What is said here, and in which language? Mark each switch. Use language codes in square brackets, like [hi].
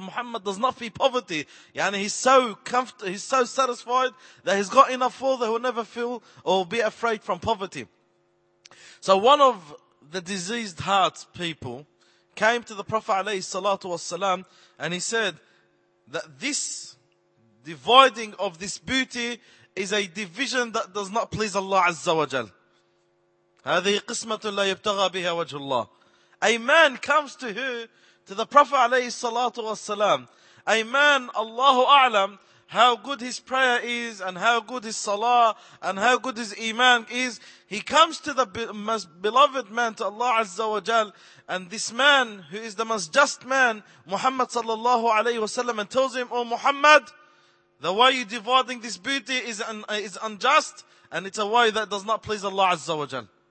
[en] Muhammad does not feel poverty. Yani he's so comfortable, he's so satisfied that he's got enough food that he'll never feel or be afraid from poverty. So one of the diseased hearts people came to the Prophet alayhi salatu wasalam and he said that this dividing of this booty is a division that does not please Allah Azza wa Jal. [ar] هذه قسمة لا يبتغى بها وجه الله. [en] A man comes to who? To the Prophet عليه الصلاة والسلام. A man, [ar] الله أعلم, [en] how good his prayer is and how good his salah and how good his iman is. He comes to the most beloved man, to Allah Azza wa Jal, and this man who is the most just man, Muhammad صلى الله عليه وسلم, and tells him, oh Muhammad, the way you're dividing this booty is unjust and it's a way that does not please Allah Azza wa Jal.